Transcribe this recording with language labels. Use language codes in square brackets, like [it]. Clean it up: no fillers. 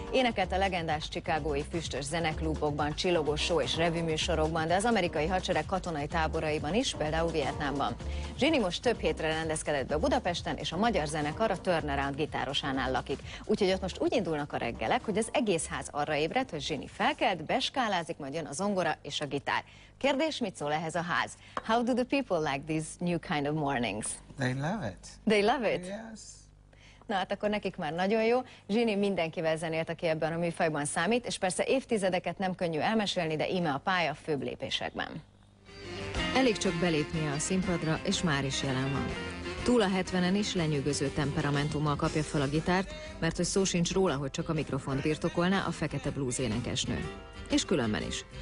[hu] Énekelt a legendás chicagói füstös zeneklubokban, csillogó show és revű műsorokban, de az amerikai hadsereg katonai táboraiban is, például Vietnámban. Jeannie most több hétre rendezkedett be Budapesten, és a magyar zenekar a Turnaround gitárosánál lakik. Úgyhogy ott most úgy indulnak a reggelek, hogy az egész ház arra ébredt, hogy Jeannie felkelt, beskálázik, majd jön a zongora és a gitár. Kérdés, mit szól ehhez a ház? [en] How do the people like these new kind of mornings? They love it. They love it? Yes. [hu] Na hát akkor nekik már nagyon jó. Jeannie mindenkivel zenélt, aki ebben a műfajban számít, és persze évtizedeket nem könnyű elmesélni, de íme a pálya főbb lépésekben. Elég csak belépnie a színpadra, és már is jelen van. Túl a 70-en is lenyűgöző temperamentummal kapja fel a gitárt, mert hogy szó sincs róla, hogy csak a mikrofont birtokolná a fekete blues énekesnő. És különben is.